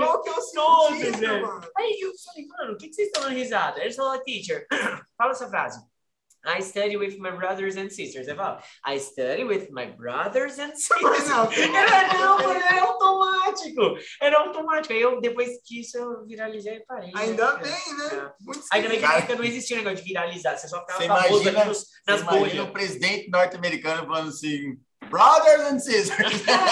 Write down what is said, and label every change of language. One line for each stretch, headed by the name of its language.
Portuguese: Qual que é o sentido, todos, velho. Aí eu falei, mano, o que vocês estão dando risada? Eles falaram, teacher, fala essa frase.
English: I study with my brothers and sisters.
Portuguese: Eu falo,
English: I study with my brothers and sisters.
Portuguese: Era automático. Era automático. Aí eu, depois que isso, eu viralizei e parei. Ainda bem, né? Muito ainda bem que na época não existia o negócio de viralizar. Você só ficava famoso ali nas bolhas. Imagina o presidente norte-americano falando assim,
English: brothers and sisters.